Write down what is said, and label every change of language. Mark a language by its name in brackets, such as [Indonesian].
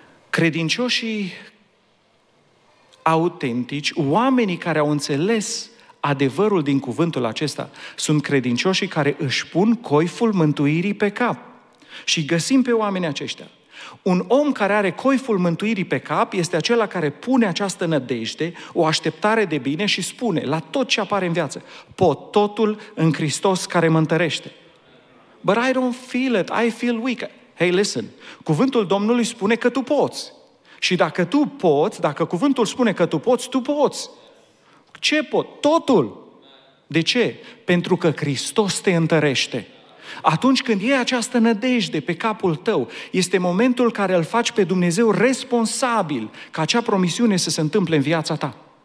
[Romanian] Credincioșii autentici, oamenii care au înțeles adevărul din cuvântul acesta, sunt credincioșii care își pun coiful mântuirii pe cap. Și găsim pe oamenii aceștia. Un om care are coiful mântuirii pe cap este acela care pune această nădejde, o așteptare de bine și spune la tot ce apare în viață: pot totul în Hristos care mă întărește. [English] But I don't feel it, I feel weak. Hey, listen, [Romanian] cuvântul Domnului spune că tu poți. Și dacă tu poți, dacă cuvântul spune că tu poți, tu poți. Ce pot? Totul. De ce? Pentru că Hristos te întărește. Atunci când iei această nădejde pe capul tău, este momentul care îl faci pe Dumnezeu responsabil ca acea promisiune să se întâmple în viața ta.